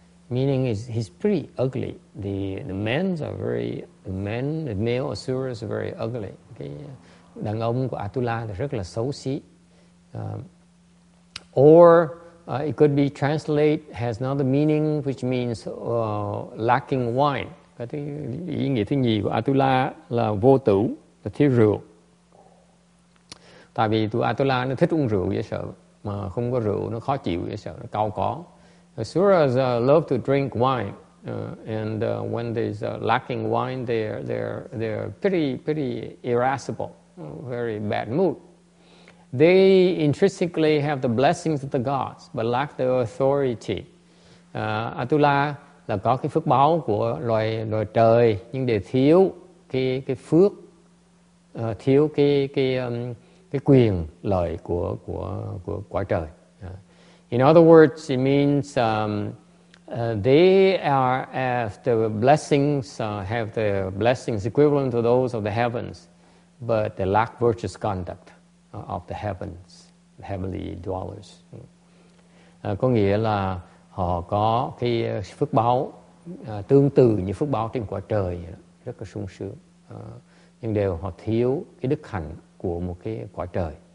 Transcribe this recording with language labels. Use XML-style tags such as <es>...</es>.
<en>Meaning is he's pretty ugly. The male Asuras are very ugly. Okay.</en> <vi>Đàn ông của Atula là rất là xấu xí.</vi> <en>Or it could be translate has another meaning, which means lacking wine.</en> <vi>Có thể ý nghĩa thứ nhì của Atula là vô tửu, là thiếu rượu. Tại vì tụi Atula nó thích uống rượu dễ sợ, mà không có rượu nó khó chịu dễ sợ, nó cau có.</vi> <en>Asuras love to drink wine, and when there's lacking wine, they're pretty irascible, very bad mood. They intrinsically have the blessings of the gods, but lack the authority.</en> <vi>Atula là có cái phước báo của loài trời, nhưng để thiếu cái phước, thiếu cái quyền lợi của quả trời.</vi> <en>In other words, it means they are after blessings, have the blessings equivalent to those of the heavens, but they lack virtuous conduct of the heavens, the heavenly dwellers.</en> <vi>Có nghĩa là họ có cái phước báo tương tự như phước báo trên quả trời, rất là sung sướng. Nhưng đều họ thiếu cái đức hạnh của một cái quả trời.</vi>